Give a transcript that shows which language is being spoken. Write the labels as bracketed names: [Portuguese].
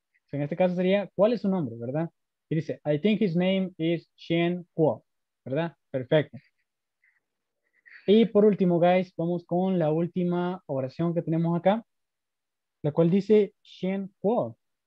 [Spanish] So en este caso sería, ¿cuál es su nombre, verdad? Y dice, [English] I think his name is Shen Kuo, ¿verdad? [Spanish] Perfecto. Y por último, guys, vamos con la última oración que tenemos acá, la cual dice Shen Kuo.